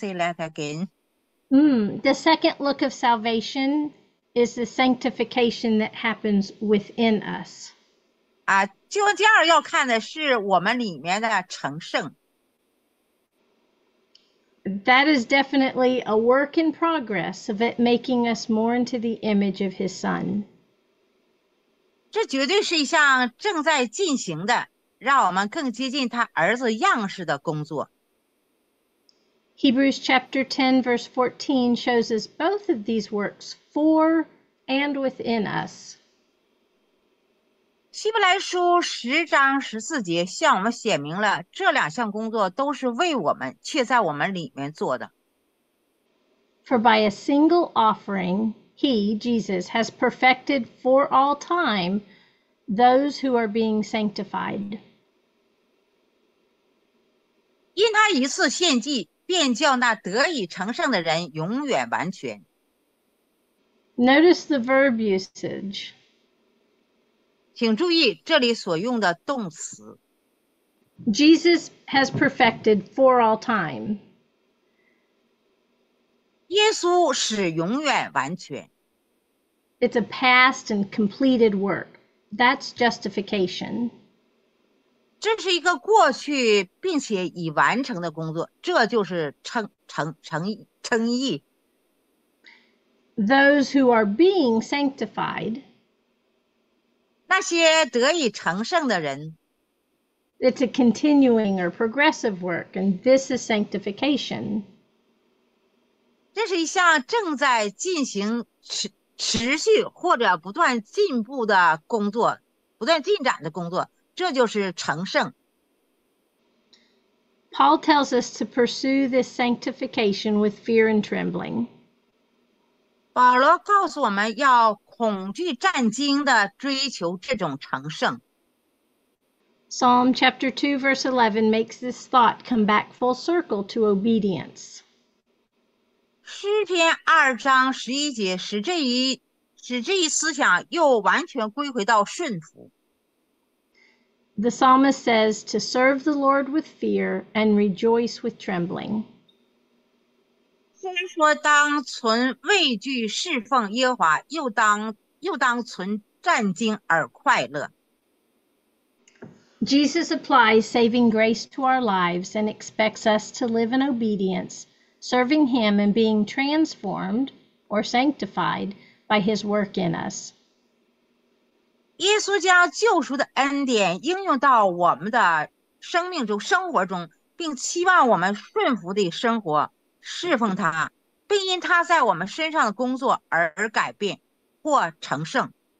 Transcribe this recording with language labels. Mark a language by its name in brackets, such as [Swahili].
[English] The second look of salvation is the sanctification that happens within us. That is definitely a work in progress of it making us more into the image of his son. [Chinese] 这绝对是一项正在进行的，让我们更接近他儿子样式的工作。 [English] Hebrews chapter 10 verse 14 shows us both of these works for and within us. [Chinese] 希伯来书十章十四节向我们显明了这两项工作都是为我们却在我们里面做的。 [English] For by a single offering, he, Jesus, has perfected for all time those who are being sanctified. [Chinese] 因他一次献祭便叫那得以成圣的人永远完全。 [English] Notice the verb usage. [Chinese] 请注意这里所用的动词。 [English] Jesus has perfected for all time. [Chinese] 耶稣使永远完全。 [English] It's a past and completed work. That's justification. [Chinese] 这是一个过去并且已完成的工作，这就是称义。 [English] Those who are being sanctified. [Chinese] 那些得以成圣的人。 [English] It's a continuing or progressive work, and this is sanctification. [Chinese] 这是一项正在进行持续或者不断进步的工作，不断进展的工作，这就是成圣。 [English] Paul tells us to pursue this sanctification with fear and trembling. [Chinese] 保罗告诉我们要恐惧战惊地追求这种成圣。 [English] Psalm chapter 2 verse 11 makes this thought come back full circle to obedience. [Chinese] 诗篇二章十一节使这一思想又完全归回到顺服。 [English] The psalmist says to serve the Lord with fear and rejoice with trembling. [Chinese] 虽说当存畏惧侍奉耶和华，又当存战惊而快乐。 [English] Jesus applies saving grace to our lives and expects us to live in obedience, serving him and being transformed or sanctified by his work in us. [Chinese] 耶稣将救赎的恩典应用到我们的生命中、生活中，并期望我们顺服地生活。侍奉他，并因他在我们身上的工作而改变或成圣。